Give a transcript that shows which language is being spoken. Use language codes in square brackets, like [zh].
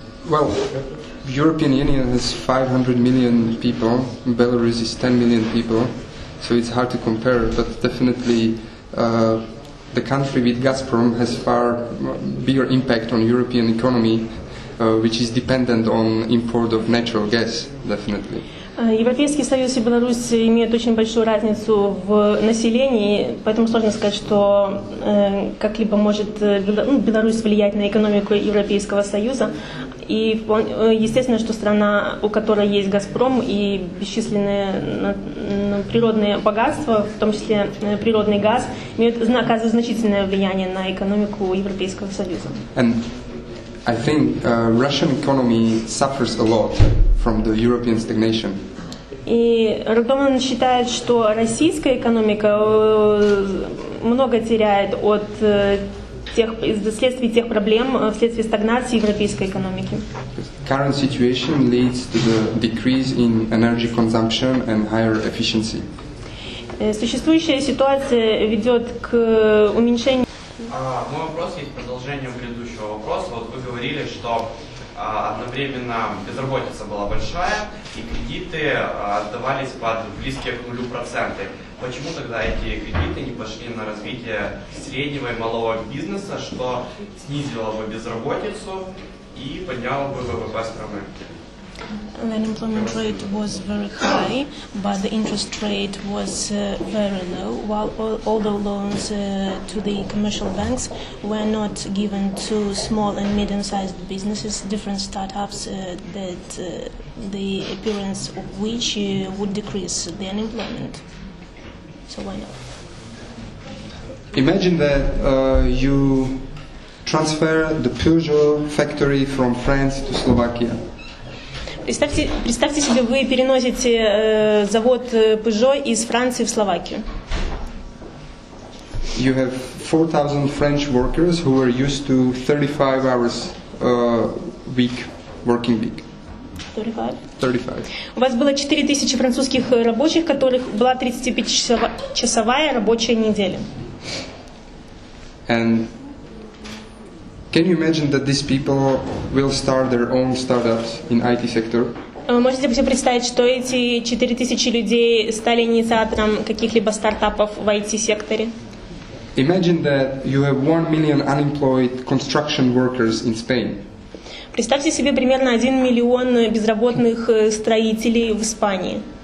[en] Well, European Union has 500 million people, Belarus is 10 million people, so it's hard to compare, but definitely the country with Gazprom has far bigger impact on European economy, which is dependent on import of natural gas, definitely. [ru] Европейский Союз и Беларусь имеют очень большую разницу в населении, поэтому сложно сказать, что как-либо может Беларусь влиять на экономику Европейского Союза. И естественно, что страна, у которой есть Газпром и бесчисленные природные богатства, в том числе природный газ, имеют оказывают значительное влияние на экономику Европейского Союза. [en] And I think Russian economy suffers a lot from the European stagnation. [ru] И Родован считает, что российская экономика много теряет от тех вследствие тех проблем вследствие стагнации европейской экономики. [en] Current situation leads to the decrease in energy consumption and higher efficiency. [ru] Существующая ситуация ведет к уменьшению. Мой вопрос есть продолжение предыдущего вопроса. Вот вы говорили, что одновременно безработица была большая, и кредиты отдавались под близкие к нулю проценты. Почему тогда эти кредиты не пошли на развитие среднего и малого бизнеса, что снизило бы безработицу и подняло бы ВВП страны? [en] The unemployment rate was very high, but the interest rate was very low, while all the loans to the commercial banks were not given to small and medium-sized businesses, different startups, that the appearance of which would decrease the unemployment. So why not? Imagine that you transfer the Peugeot factory from France to Slovakia. [ru] Представьте себе, вы переносите завод Peugeot из Франции в Словакию. [en] You have 4,000 French workers who are used to 35 hours week working week. 35. [ru] У вас было 4,000 французских рабочих, которых была 35-часовая рабочая неделя. [en] And can you imagine that these people will start their own startups in IT sector? [ru] Можете себе представить, что эти 4,000 людей стали инициатором каких-либо стартапов в IT-секторе? [en] Imagine that you have 1 million unemployed construction workers in Spain. [ru] Представьте себе примерно 1 миллион безработных строителей в Испании.